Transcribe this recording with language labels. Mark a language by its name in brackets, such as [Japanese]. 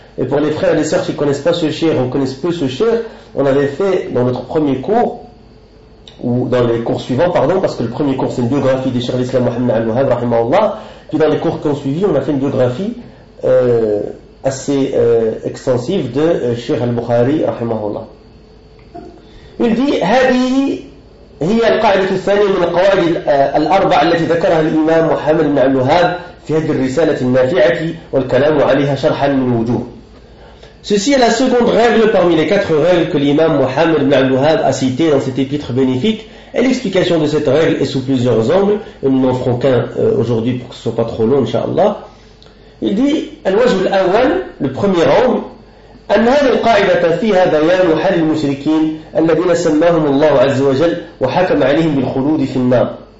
[French] Et pour les frères et les sœurs qui ne connaissent pas ce cheikh ou connaissent peu ce cheikh, on avait fait dans notre premier cours, ou dans les cours suivants, pardon, parce que le premier cours c'est une biographie de Cheikh l'Islam Mohammed al-Wahhab, rahimahullah. Puis dans les cours qui ont suivi, on a fait une biographie assez extensive de Cheikh al-Bukhari, rahimahullah. Il dit, [Arabic] هذه هي القاعدة الثانية من القواعد الأربع التي ذكرها الإمام محمد بن الوهاب في هذه الرسالة النافعة والكلام عليها شرحا من وجوه. [French] Ceci est la seconde règle parmi les quatre règles que l'imam Mohammed ibn al-Wahhab a citées dans cet épître bénéfique. Et l'explication de cette règle est sous plusieurs angles. Et nous n'en ferons qu'un aujourd'hui pour que ce ne soit pas trop long, inshallah. Il dit, [Arabic] al-wajh al-awwal, [French] le premier angle, [Arabic] أن هذه القاعدة فيها بيان حال المشركين الذين سماهم الله عز وجل وحكم عليهم بالخلود في النار